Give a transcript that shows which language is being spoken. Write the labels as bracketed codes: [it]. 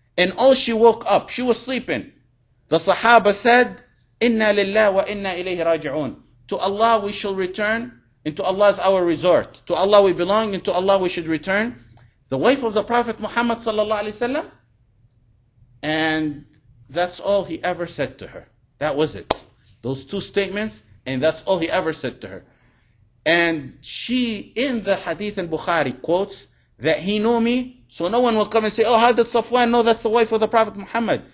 [en] And all she woke up, she was sleeping. The Sahaba said, [ar] إِنَّا لِلَّهِ وَإِنَّا إِلَيْهِ رَاجِعُونَ. [en] To Allah we shall return, and to Allah is our resort. To Allah we belong, and to Allah we should return. The wife of the Prophet Muhammad sallallahu alayhi wa sallam, and that's all he ever said to her. That was it. Those two statements, and that's all he ever said to her. And she, in the hadith in Bukhari, quotes that he knew me, so no one will come and say, oh, how did Safwan know that's the wife of the Prophet Muhammad?